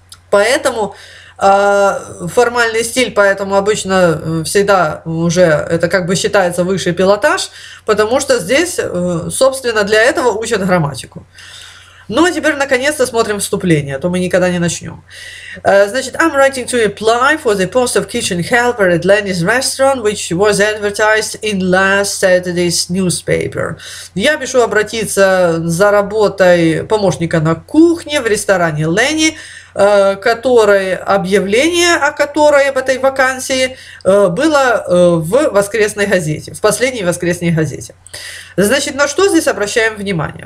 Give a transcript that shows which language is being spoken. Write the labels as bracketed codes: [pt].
[ru] Поэтому формальный стиль, поэтому обычно всегда уже это как бы считается высший пилотаж, потому что здесь, собственно, для этого учат грамматику. Ну, а теперь, наконец-то, смотрим вступление, а то мы никогда не начнем. Значит, [en] I'm writing to apply for the post of kitchen helper at Lenny's restaurant, which was advertised in last Saturday's newspaper. [ru] Я пишу обратиться за работой помощника на кухне в ресторане Lenny, которой объявление о которой, об этой вакансии, было в воскресной газете, в последней воскресной газете. Значит, на что здесь обращаем внимание?